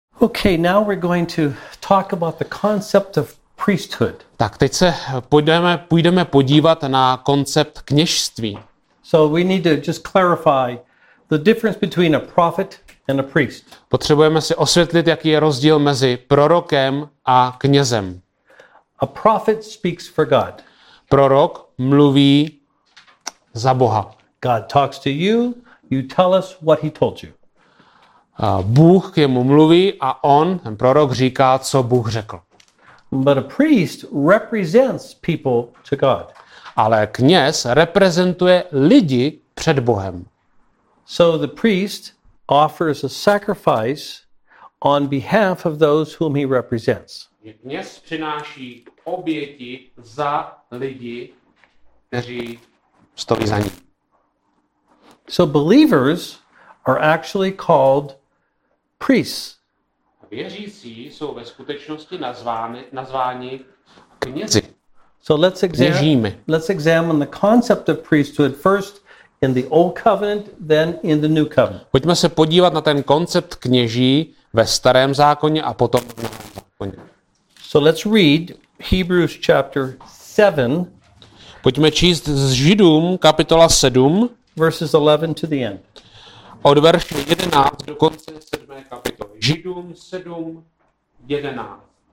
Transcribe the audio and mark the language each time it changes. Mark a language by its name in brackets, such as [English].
[English] Okay, now we're going to talk about the concept of priesthood. [Czech] Tak teď se půjdeme podívat na koncept kněžství. [English] So we need to just clarify the difference between a prophet and a priest. [Czech] Potřebujeme si osvětlit, jaký je rozdíl mezi prorokem a knězem. [English] A prophet speaks for God. [Czech] Prorok mluví za Boha. [English] God talks to you, you tell us what he told you. [Czech] Bůh k němu mluví a on, ten prorok, říká, co Bůh řekl. [English] But a priest represents people to God. [Czech] Ale kněz reprezentuje lidi před Bohem. [English] So the priest offers a sacrifice on behalf of those whom he represents. [Czech] Kněz přináší oběti za lidi, kteří stojí za ním. [English] So believers are actually called priests. [Czech] Věřící jsou ve skutečnosti nazváni knězi. [English] So let's examine the concept of priesthood first in the old covenant, then in the new covenant. [Czech] Pojďme se podívat na ten koncept kněží ve starém zákoně a potom v novém zákoně. [English] So let's read Hebrews chapter 7. [Czech] Pojďme číst z Židům kapitola 7. [English] Verses 11 to the end. [Czech] Od verše 11 do konce 7. kapitoly. Židům 7, 11.